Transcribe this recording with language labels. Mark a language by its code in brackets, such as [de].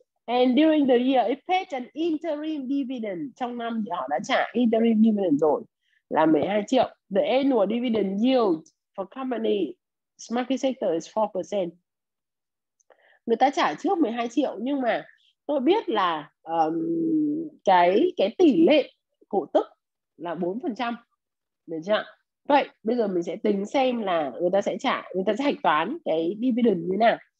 [en] And during the year it paid an interim dividend, [vi] trong năm thì họ đã trả interim dividend rồi là 12 triệu. [en] The annual dividend yield for company market sector is 4%. [vi] Người ta trả trước 12 triệu nhưng mà tôi biết là cái tỷ lệ cổ tức là 4%, được chưa? Vậy bây giờ mình sẽ tính xem là người ta sẽ hạch toán cái dividend như nào.